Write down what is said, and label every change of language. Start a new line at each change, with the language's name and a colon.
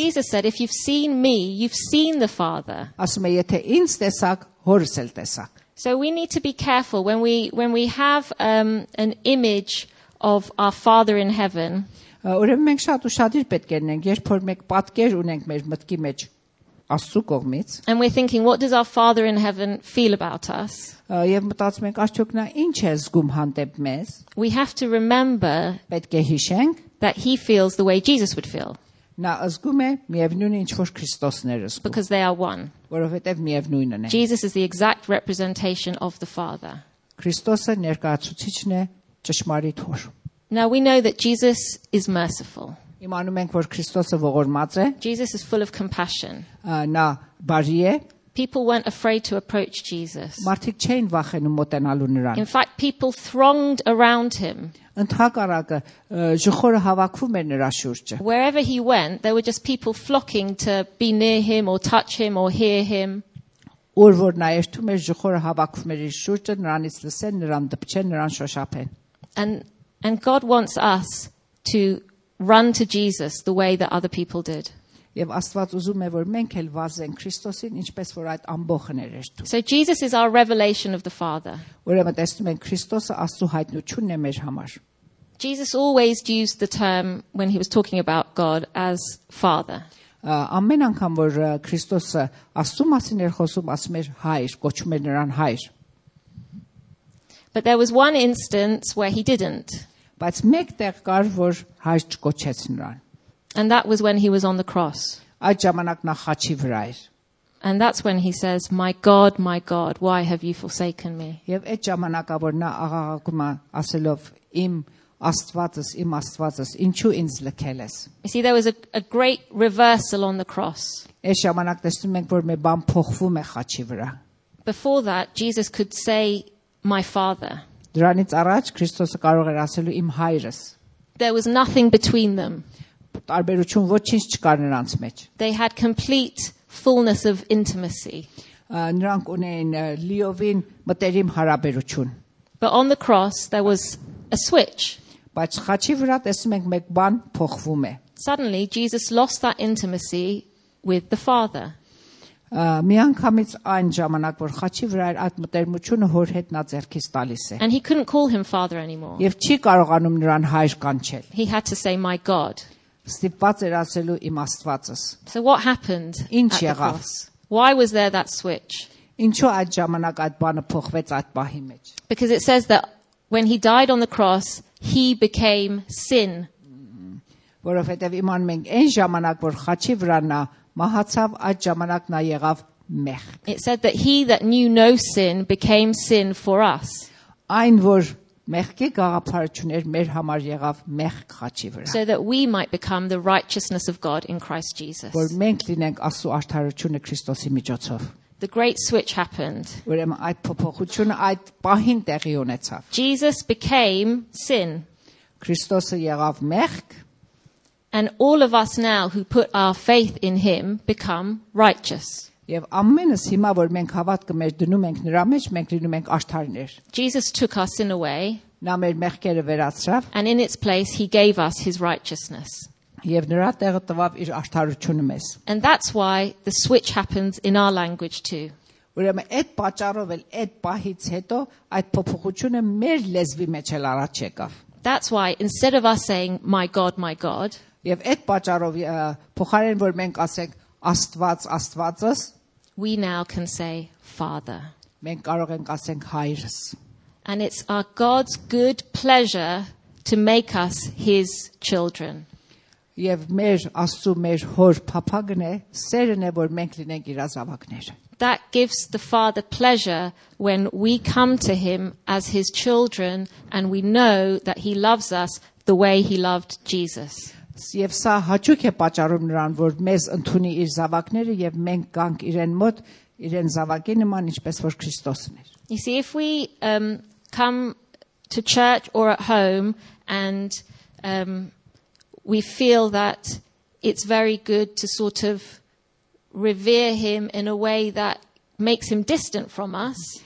English: Jesus said, if you've seen me, you've seen the Father.
Armenian: Ասում է, եթե ինձ տեսաք, Հորս էլ տեսաք։
English: So we need to be careful when we have an image of our Father in heaven.
Armenian: Ուրեմն մենք շատ ուրախալի պետք է ունենք, երբ որ մենք պատկեր ունենք մեր մտքի մեջ Աստծո կողմից.
English: And we're thinking, what does our Father in heaven feel about us?
Armenian: Եվ մտածում ենք, աստուք նա ինչ է զգում հանդեպ մեզ։
English: We have to remember,
Armenian: պետք է հիշենք,
English: that he feels the way Jesus would feel.
Armenian: Նա զգում է միևնույնը, ինչ որ Քրիստոսն էր զգում։
English: Because they are one.
Armenian: Որովհետև միևնույնն են։
English: Jesus is the exact representation of the Father.
Armenian: Քրիստոսը ներկայացուցիչն է ճշմարիտ Հոր։
English: Now we know that Jesus is merciful.
Armenian: Իմանում ենք, որ Քրիստոսը ողորմած է։
English: Jesus is full of compassion.
Armenian: Նա բարի է։
English: People weren't afraid to approach Jesus.
Armenian: Մարդիկ չէին վախենում մոտենալու նրան։
English: In fact, people thronged around him.
Armenian: Ընդհակառակը, ժխորը հավաքվում էր նրա շուրջը։
English: Wherever he went, there were just people flocking to be near him or touch him or hear him.
Armenian: Ուր որ նա երթում էր, ժխորը հավաքվում էր իր շուրջը, նրանից լսեն, նրան դպչեն, նրան շոշափեն։
English: And God wants us to run to Jesus the way that other people did.
Armenian: Եվ Աստված ուզում է, որ մենք էլ վազենք Քրիստոսին, ինչպես որ այդ ամբոխն էր երթում։
English: So Jesus is our revelation of the Father.
Armenian: Ուրեմն տեսնում ենք, Քրիստոսը Աստծո հայտնությունն է մեր համար։
English: Jesus always used the term when he was talking about God as Father.
Armenian: Ամեն անգամ որ Քրիստոսը Աստծո մասին էր խոսում, ասում էր Հայր, կոչում էր նրան Հայր.
English: But there was one instance where he didn't.
Armenian: Բայց մեկ տեղ կար որ Հայր չկոչեց նրան.
English: And that was when he was on the cross.
Armenian: Այդ ժամանակ նա խաչի վրա էր.
English: And that's when he says, my God, why have you forsaken me?
Armenian: Եվ այդ ժամանակ որ նա աղաղակում է ասելով իմ Աստվածս, իմ Աստվածս, ինչու ինձ լքել ես?
English: You see, there was a great reversal on the cross.
Armenian: Այս ժամանակ տեսնում ենք, որ մի բան փոխվում է խաչի վրա.
English: Before that, Jesus could say, my Father.
Armenian: Դրանից առաջ Քրիստոսը կարող էր ասել իմ Հայրս.
English: There was nothing between them.
Armenian: Տարբերություն ոչինչ չկար նրանց մեջ.
English: They had complete fullness of intimacy.
Armenian: Նրանք ունեին լիովին մտերիմ հարաբերություն.
English: But on the cross there was a switch.
Armenian: Բայց խաչի վրա տեսնում ենք մեկ բան փոխվում է.
English: Suddenly Jesus lost that intimacy with the Father.
Armenian: Միանգամից այն ժամանակ որ խաչի վրա էր այդ մտերմությունը հոր հետ նա ձեռքից տալիս է.
English: And he couldn't call him Father anymore.
Armenian: Եվ չի կարողանում նրան Հայր կանչել.
English: He had to say my God.
Armenian: Ստիպված էր ասելու իմ Աստվածս.
English: So what happened?
Armenian: Ինչ եղավ?
English: Why was there that switch?
Armenian: Ինչու այդ ժամանակ այդ բանը փոխվեց այդ պահի մեջ?
English: Because it says that when he died on the cross, he became sin.
Armenian: Որովհետև իմանում ենք այն ժամանակ, որ խաչի վրա նա մահացավ, այդ ժամանակ նա եղավ մեղք.
English: It said that he that knew no sin became sin for us.
Armenian: Այն որ մեղքի գաղափարություններ մեր համար եղավ մեղք խաչի վրա.
English: So that we might become the righteousness of God in Christ Jesus.
Armenian: Որ մենք լինենք Աստու արդարությունը Քրիստոսի միջոցով.
English: The great switch happened.
Armenian: Ուրեմն այդ փոփոխությունը այդ պահին տեղի ունեցավ.
English: Jesus became sin.
Armenian: Քրիստոսը եղավ մեղք.
English: And all of us now who put our faith in him become righteous.
Armenian: Եվ ամենս հիմա որ մենք հավատքը մեր դնում ենք նրա մեջ, մենք լինում ենք աշխարհներ։
English: Jesus took our sin away.
Armenian: Նա մեր մեղքերը վերացրավ։
English: And in its place he gave us his righteousness.
Armenian: Եվ նրա տեղը տվավ իր աշխարհությունը մեզ։
English: And that's why the switch happens in our language too.
Armenian: Ուրեմն այդ պատճառով էլ այդ պահից հետո այդ փոփոխությունը մեր լեզվի մեջ էլ առաջ եկավ։
English: That's why instead of us saying my God,
Armenian: Եվ այդ պատճառով փոխարեն որ մենք ասենք Աստված, Աստվածս,
English: we now can say Father.
Armenian: Մենք կարող ենք ասենք Հայրս.
English: And it's our God's good pleasure to make us his children.
Armenian: Եվ մեր Աստու մեր հոր փափագն է, սերն է որ մենք լինենք իր ազավակներ.
English: That gives the Father pleasure when we come to him as his children and we know that he loves us the way he loved Jesus.
Armenian: Եվ սա հաճույք է պատճառում նրան, որ մեզ ընդունի իր զավակները եւ մենք կանք իրեն մոտ իրեն զավակի նման, ինչպես որ Քրիստոսն էր։
English: You see, if we come to church or at home and we feel that it's very good to sort of revere him in a way that makes him distant from us,